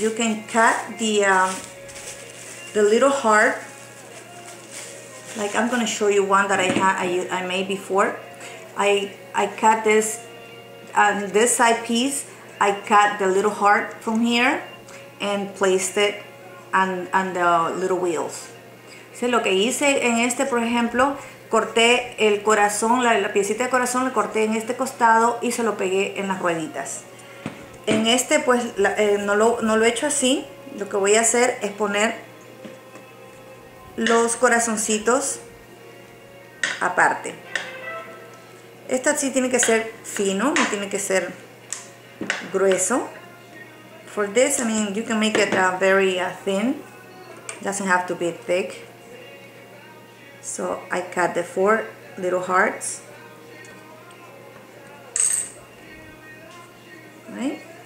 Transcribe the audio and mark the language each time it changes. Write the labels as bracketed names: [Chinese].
[English] You can cut the little heart. Like I'm going to show you one that I made before. I cut this on this side piece. I cut the little heart from here and placed it on the little wheels. [Spanish] So lo que hice en este, por ejemplo, corté el corazón, la piecita de corazón la corté en este costado y se lo pegué en las rueditas. En este, pues, no lo he hecho así. Lo que voy a hacer es poner los corazoncitos aparte. Esta sí tiene que ser fino, no tiene que ser grueso. [English] For this, I mean, you can make it very thin. Doesn't have to be thick. So, I cut the four little hearts. Right?